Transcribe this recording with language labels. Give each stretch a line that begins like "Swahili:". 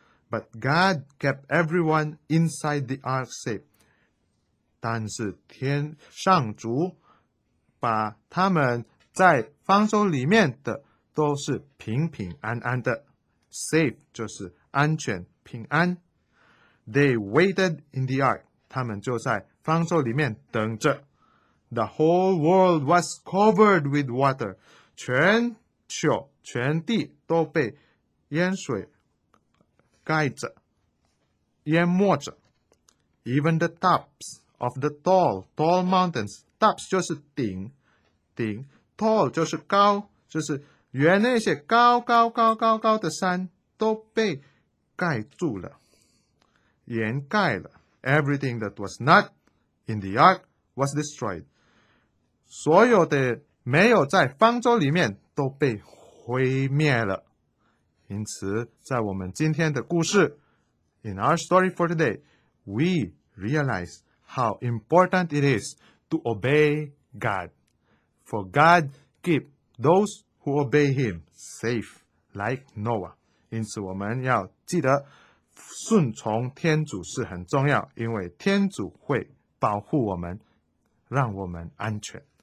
English: But God kept everyone inside the ark safe.
Chinese: 但是天上主把他们在方舟里面的都是平平安安的。
English: Safe
Chinese: 就是安全平安。
English: They waited in the ark.
Chinese: 他们就在方舟里面等着。
English: The whole world was covered with water.
Chinese: 全球全地都被淹水盖着，淹没着。
English: Even the tops of the tall mountains.
Chinese: Tops 就是顶，Tall 就是高，就是原那些高的山都被盖住了，掩盖了。
English: Everything that was not in the ark was destroyed.
Chinese: 所有的没有在方舟里面都被毁灭了。因此，在我们今天的故事
English: ，in our story for today, we realize how important it is to obey God. For God. Keep those who obey him safe, like Noah.
Chinese: 因此我们要记得顺从天主是很重要，因为天主会保护我们，让我们安全。